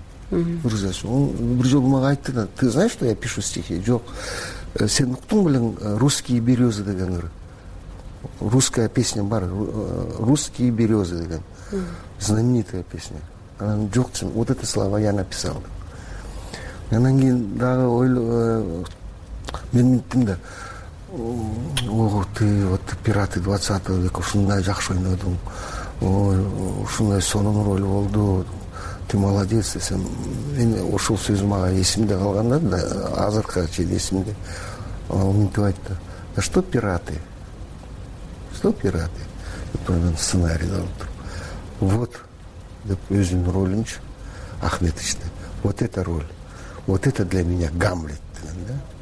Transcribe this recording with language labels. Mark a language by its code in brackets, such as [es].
[ky] Он бир жолу мага айтты да: [ru] ты знаешь, что я пишу стихи? [ky] Жок. Сен уктуң беле русские березы деген ыр. Русская песня бар, русские березы деген. [ru] Знаменитая песня. [ky] Анан жок, [ru] вот эти слова я написал. [ky] Анан кийин дагы мен минтим да: ого, [ru] ты вот пираты 20 века [ky] ушундай жакшы ойнодуң, ой ушундай сонун роль болду, [ru] ты молодец [ky] десем, мен ошол сөз мага эсимде калган да, азыркыга чейин эсимде. Ал мынтип айтты: [ru] да что пираты, что пираты, [ky] деп анан сценарийди алып туруп, вот деп өзүнүн ролунчу Ахметовичти, [ru] вот эта роль, вот это для меня Гамлет [ky] деген да.